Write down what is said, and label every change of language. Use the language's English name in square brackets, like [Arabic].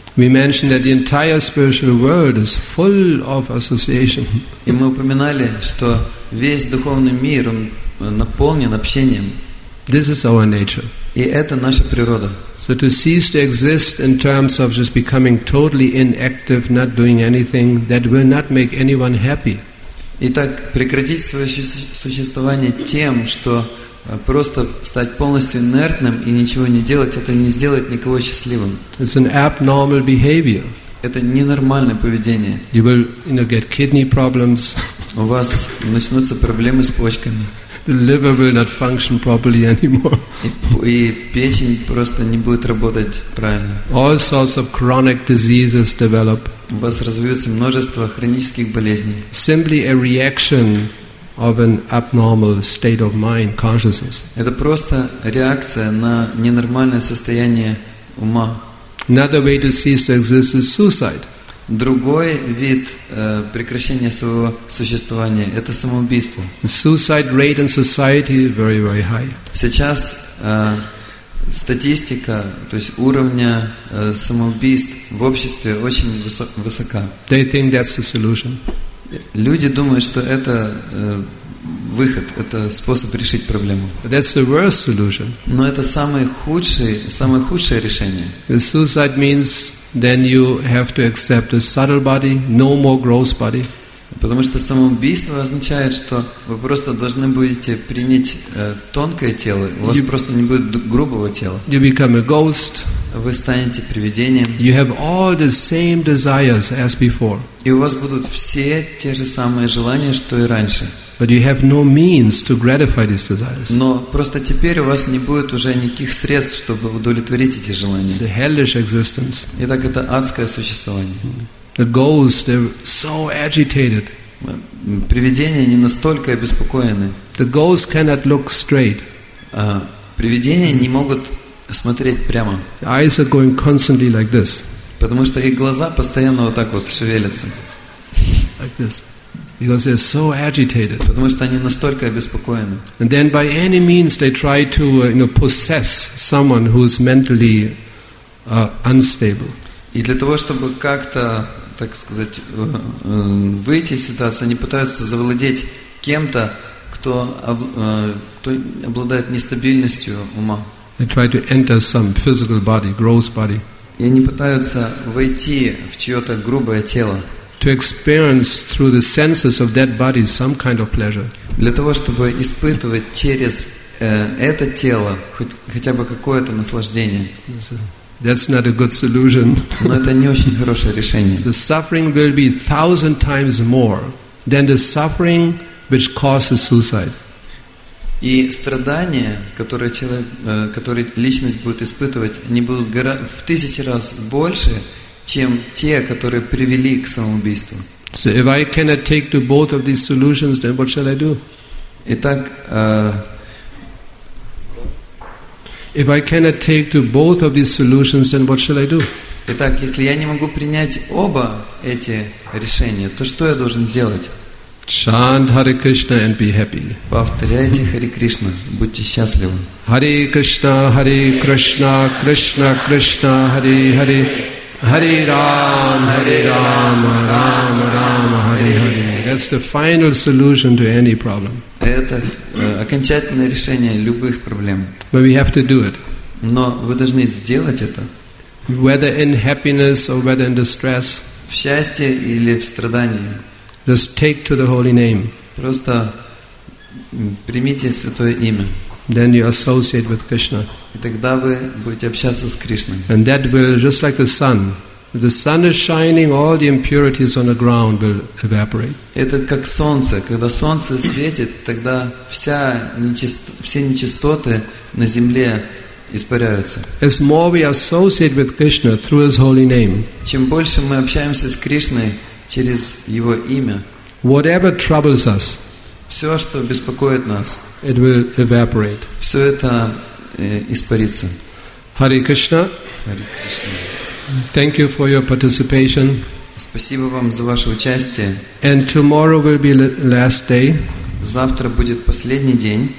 [English] We mentioned that the entire spiritual world is full of association. [Russian] И мы упоминали, что весь духовный мир, он наполнен общением. [English] This is our nature. [Russian] И это наша природа. [English] So to cease to exist in terms of just becoming totally inactive, not doing anything, that will not make anyone happy. [Russian] Итак, прекратить свое существование тем, что просто стать полностью инертным и ничего не делать, это не сделает никого счастливым. [English] It's an abnormal behavior. [Russian] Это ненормальное поведение. [English] You will, you know, get kidney problems. [Russian] У вас начнутся проблемы с почками. [English] The liver will not function properly anymore. [Russian] И печень просто не будет работать правильно. [English] All sorts of chronic diseases develop. [Russian] У вас развиется множество хронических болезней. [English] Simply a reaction of an abnormal state of mind, consciousness. [Russian] Это просто реакция на ненормальное состояние ума. [English] Another way to cease to exist is suicide. [Russian] Другой вид прекращения своего существования – это самоубийство. [English] Suicide rate in society is very, very high. [Russian] Сейчас статистика, то есть уровня самоубийств в обществе очень высока. [English] They think that's the solution. [Russian] Люди думают, что это выход, это способ решить проблему. [English] But that's the worst solution. [Russian] Но это самое худшее решение. [English] Suicide means then you have to accept a subtle body, no more gross body. [Russian] Потому что самоубийство означает, что вы просто должны будете принять тонкое тело, у вас просто не будет грубого тела. [English] You become a ghost. [Russian] Вы станете привидением. [English] You have all the same desires as before. [Russian] И у вас будут все те же самые желания, что и раньше. [English] But you have no means to gratify these desires. [Russian] Но просто теперь у вас не будет уже никаких средств, чтобы удовлетворить эти желания. [English] It's a hellish existence. [Russian] Итак, это адское существование. [English] The ghosts, they're so agitated. [Russian] Привидения не настолько обеспокоены. [English] The ghosts cannot look straight. [Russian] Привидения не могут смотреть прямо. [English] The eyes are going constantly like this. [Russian] Потому что их глаза постоянно вот так вот шевелятся. [English] Like this. Because they're so agitated. [Russian] Потому что они настолько обеспокоены. [English] And then by any means they try to possess someone who's mentally unstable. [Russian] И для того, чтобы как-то, так сказать, выйти из ситуации, они пытаются завладеть кем-то, кто обладает нестабильностью ума. [English] They try to enter some physical body, gross body. [Russian] И они пытаются войти в чье-то грубое тело. [English] To experience through the senses of that body some kind of pleasure. [Russian] Для того, чтобы испытывать через это тело хотя бы какое-то наслаждение. [English] That's not a good solution. [Russian] Но это не очень хорошее решение. [English] The suffering will be 1,000 times more than the suffering which causes suicide. [Russian] И страдания, которые человек, которые личность будет испытывать, они будут в 1000 раз больше, чем те, которые привели к самоубийству. [English] So if I cannot take to both of these solutions, then what shall I do? [Russian] Итак, [English] if I cannot take to both of these solutions, then what shall I do? [Russian] Итак, если я не могу принять оба эти решения, то что я должен сделать? [English] Chant Hare Krishna and be happy. [Russian] Повторяйте Hare Krishna, будьте счастливы. [Sanskrit] Hare Krishna, Hare Krishna, Krishna Krishna, Hare Hare. Hare Ram, Hare Ram, Ram Ram, Hare Hare. [English] That's the final solution to any problem. [Russian] Это окончательное решение любых проблем. [English] But we have to do it. [Russian] Но вы должны сделать это. [English] Whether in happiness or whether in distress. [Russian] В счастье или в страдании. [English] Just take to the holy name. [Russian] Просто примите святое имя. [English] Then you associate with Krishna. [Russian] И тогда вы будете общаться с Кришной. [English] And that will just like the sun. If the sun is shining, all the impurities on the ground will evaporate. [Russian] Это как солнце. Когда солнце светит, тогда все нечистоты на земле испаряются. [English] As more we associate with Krishna through His holy name. [Russian] Чем больше мы общаемся с Кришной через Его имя. [English] Whatever troubles us. [Russian] Все, что беспокоит нас. [English] It will evaporate. [Russian] Все это испарится. [Sanskrit] Hare Krishna. Hare Krishna. [English] Thank you for your participation. [Russian] Спасибо вам за ваше участие. [English] And tomorrow will be last day. [Russian] Завтра будет последний день.